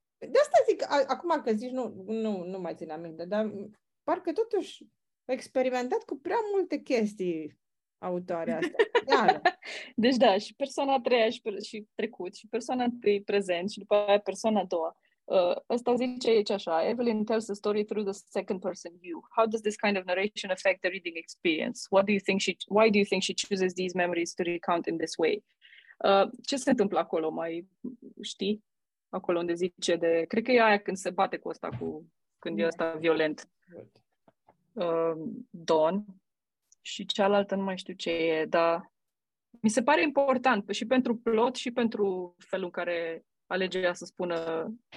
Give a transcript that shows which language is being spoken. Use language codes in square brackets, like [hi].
[ro] De asta zic, acum că zici, nu mai țin aminte, dar parcă totuși a experimentat cu prea multe chestii autoarea asta. Iară. Deci da, și persoana a treia și trecut, și persoana întâi prezent, și după aia persoana a doua. Ăsta zice aici așa, [en] Evelyn tells the story through the second person view. How does this kind of narration affect the reading experience? Why do you think she chooses these memories to recount in this way? [ro] Ce se întâmplă acolo, mai știi? Acolo unde zice de... Cred că e aia când se bate cu ăsta, când e ăsta violent. Don. Și cealaltă nu mai știu ce e, dar... Mi se pare important și pentru plot și pentru felul în care alege ea să spună.